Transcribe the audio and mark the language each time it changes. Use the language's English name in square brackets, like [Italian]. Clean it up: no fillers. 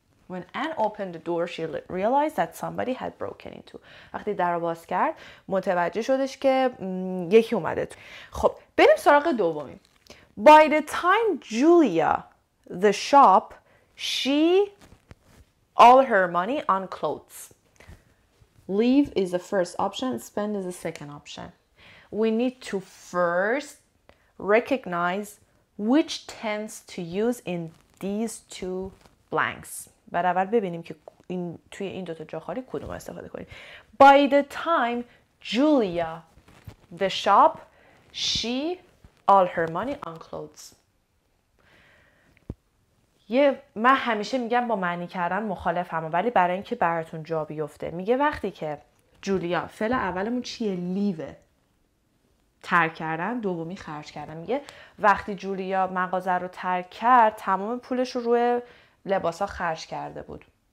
[English] When Anne opened the door, she realized that somebody had broken into. [Persian] وقتی در رو باز کرد، متوجه شدش که یکی اومده تو. خب، بریم سراغ دومی. [English] By the time Julia, the shop, she all her money on clothes. Leave is the first option, spend is the second option. We need to first recognize which tense to use in these two blanks. [Persian] بعد اول ببینیم که این توی این دوتا جا خالی کدوم استفاده کنیم. [English] By the time Julia, the shop, she, all her money on clothes. [Persian] یه من همیشه میگم با معنی کردن مخالفم، ولی برای اینکه براتون جا بیفته، میگه وقتی که جولیا، فعل اولمون چیه؟ لیوه، ترک کردن، دومی خرج کردن. میگه وقتی جولیا مغازه رو ترک کرد، تمام پولش رو روی لباسا خرج کرده بود.